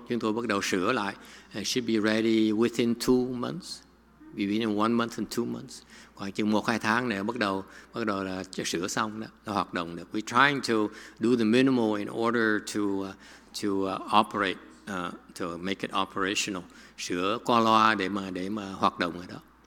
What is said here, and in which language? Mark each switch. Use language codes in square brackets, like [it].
[vi] Chúng tôi bắt đầu sửa lại. [en] It should be ready within 2 months. Between 1 month and 2 months. [vi] Khoảng chừng 1-2 tháng này bắt đầu là sửa xong đó, là hoạt động được. [en] We're trying to do the minimal in order to make it operational. [vi] Sửa qua loa để mà hoạt động ở đó.